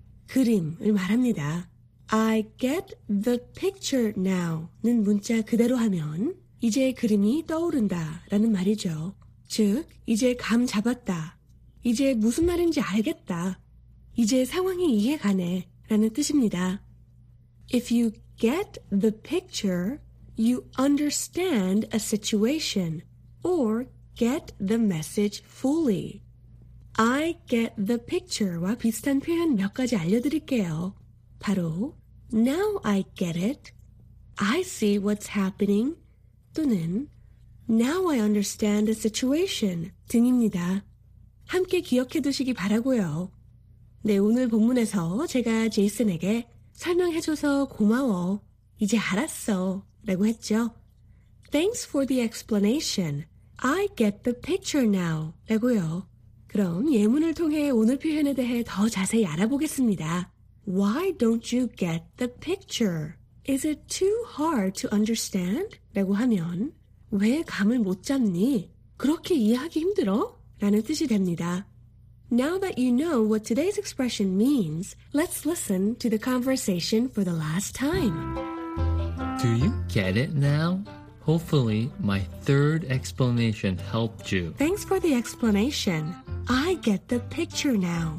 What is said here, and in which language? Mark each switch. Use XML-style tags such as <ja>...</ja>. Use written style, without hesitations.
<ko>그림을 말합니다.</ko> <en>I get the picture now</en> <ko>는 문자 그대로 하면 이제 그림이 떠오른다 라는 말이죠. 즉, 이제 감 잡았다. 이제 무슨 말인지 알겠다. 이제 상황이 이해가네 라는 뜻입니다.</ko> <en>If you get the picture, you understand a situation or get the message fully. I get the picture</en> <ko>와 비슷한 표현 몇 가지 알려드릴게요.</ko> <en>바로 Now I get it. I see what's happening. 또는 Now I understand the situation 등입니다.</en> <ko>함께 기억해 두시기 바라고요. 네, 오늘 본문에서 제가 제이슨에게 설명해 줘서 고마워. 이제 알았어. 라고 했죠.</ko> <en>Thanks for the explanation. I get the picture now. 라고요.</en> <ko>그럼 예문을 통해 오늘 표현에 대해 더 자세히 알아보겠습니다.</ko> <en>Why don't you get the picture? Is it too hard to understand?</en> <ko>라고 하면 왜 감을 못 잡니? 그렇게 이해하기 힘들어? 라는 뜻이 됩니다.</ko> <en>Now that you know what today's expression means, let's listen to the conversation for the last time. Do you get it now? Hopefully, my third explanation helped you. Thanks for the explanation. I get the picture now.</en>